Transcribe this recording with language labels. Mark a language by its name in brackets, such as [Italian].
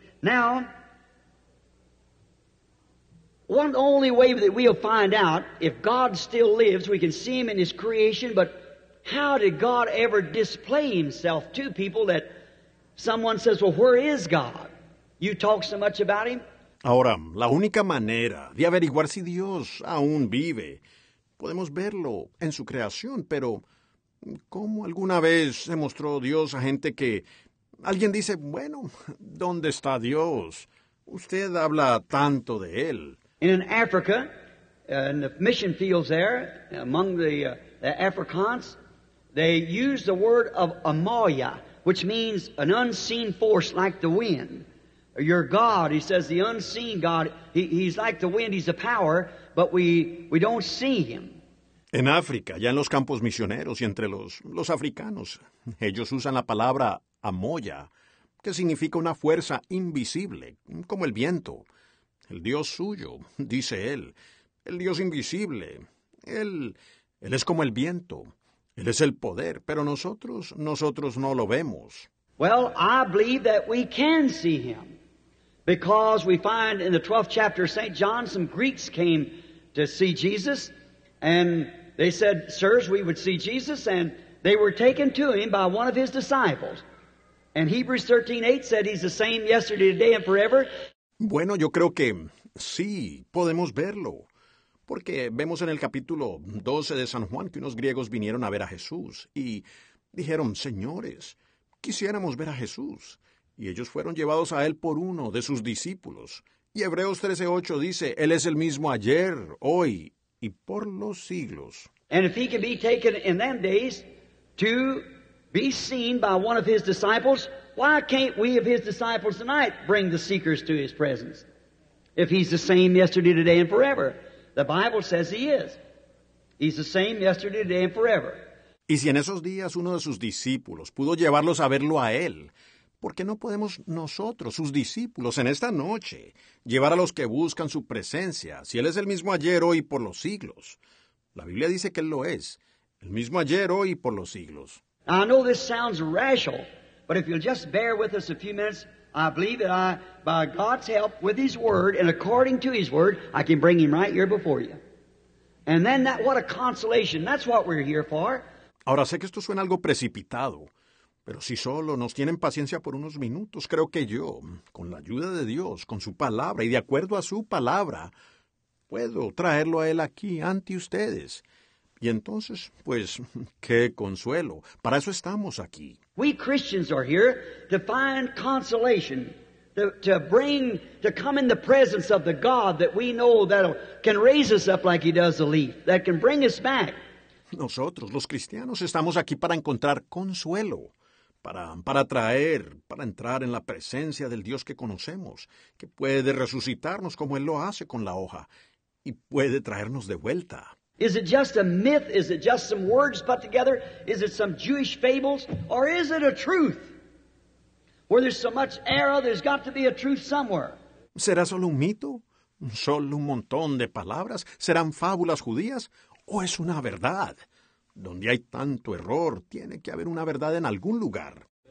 [English] Now, one only way that we'll find out if God still lives, we can see him in his creation, but how did God ever display himself to people that someone says, well, where is God? You talk so much about him. [Spanish] Ahora, la única manera de averiguar si Dios aún vive, podemos verlo en su creación, pero ¿cómo alguna vez se mostró Dios a gente que alguien dice, bueno, ¿dónde está Dios? Usted habla tanto de él. [English] In Africa, in the mission fields there, among the Afrikaans, they use the word of Amaya, which means an unseen force like the wind. Your God, he says, the unseen God, he's like the wind, he's a power, but we don't see him. [Spanish] En África, ya en los campos misioneros y entre los africanos, ellos usan la palabra Amoya, que significa una fuerza invisible, como el viento. El Dios suyo, dice él, el Dios invisible, él es como el viento, él es el poder, pero nosotros no lo vemos. [English] Well, I believe that we can see him, because we find in the 12th chapter of St. John, some Greeks came to see Jesus, and they said, sirs, we would see Jesus, and they were taken to him by one of his disciples. And Hebrews 13:8 said he's the same yesterday, today, and forever. [Spanish] Bueno, yo creo que sí, podemos verlo, porque vemos en el capítulo 12 de San Juan que unos griegos vinieron a ver a Jesús y dijeron, señores, quisiéramos ver a Jesús. Y ellos fueron llevados a él por uno de sus discípulos. Y Hebreos 13:8 dice, él es el mismo ayer, hoy y por los siglos. [English] And if he can be taken in them days to be seen by one of his disciples, why can't we of his disciples tonight bring the seekers to his presence? If he's the same yesterday, today, and forever. The Bible says he is. He's the same yesterday, today, and forever. [Spanish] Y si en esos días uno de sus discípulos pudo llevarlos a verlo a él, ¿por qué no podemos nosotros, sus discípulos, en esta noche, llevar a los que buscan su presencia, si él es el mismo ayer, hoy y por los siglos? La Biblia dice que él lo es, el mismo ayer, hoy y por los siglos. [English] I know this sounds rational, but if you'll just bear with us a few minutes, I believe that I, by God's help, with his word, and according to his word, I can bring him right here before you. And then that, what a consolation, that's what we're here for. [Spanish] Ahora, sé que esto suena algo precipitado, pero si solo nos tienen paciencia por unos minutos, creo que yo, con la ayuda de Dios, con su palabra y de acuerdo a su palabra, puedo traerlo a él aquí ante ustedes. Y entonces, pues, qué consuelo. Para eso estamos aquí. [English] We Christians are here to find consolation, to bring, to come in the presence of the God that we know that can raise us up like he does the leaf, that can bring us back. [Spanish] Nosotros, los cristianos, estamos aquí para encontrar consuelo, para traer, para entrar en la presencia del Dios que conocemos, que puede resucitarnos como Él lo hace con la hoja, y puede traernos de vuelta. [English] Is it just a myth? Is it just some words put together? Is it some Jewish fables? Or is it a truth? Where there's so much error, there's got to be a truth somewhere. [Spanish] ¿Será solo un mito? ¿Solo un montón de palabras? ¿Serán fábulas judías? ¿O es una verdad? Donde hay tanto error, tiene que haber una verdad en algún lugar.